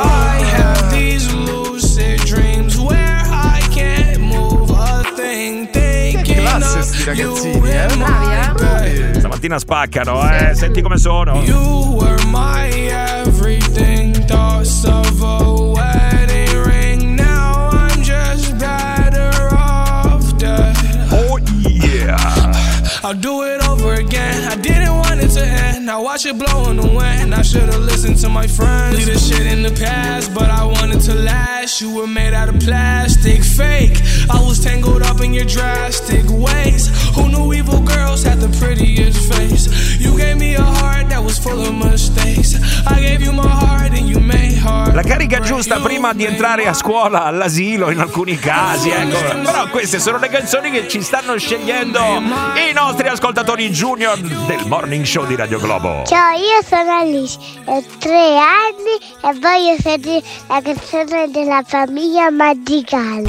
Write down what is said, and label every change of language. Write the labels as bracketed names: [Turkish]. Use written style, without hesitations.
[English] I have these lucid dreams where I can't move a thing. Thinking of you in my bed. [Italian] Stamattina spaccano, senti come sono. [English] You were my everything, thoughts of a wedding ring. Now I'm just better off dead. Oh yeah. I'll do it over again. I didn't want it to end. Now watch it blow in the wind. I should have listened to my friends. Leave the shit in the past, but I wanted to last. You were made out of plastic, fake. I was tangled up in your drastic ways. Who knew evil girls had the prettiest face? You gave me a heart that was full of mistakes. I gave you my heart and you made heart. [Italian] La carica giusta prima di entrare a scuola, all'asilo in alcuni casi, ecco. Però queste sono le canzoni che ci stanno scegliendo i nostri ascoltatori junior del Morning Show di Radio Globo. Ciao, io sono Alice, ho 3 anni e voglio sentire la canzone della famiglia Madrigale.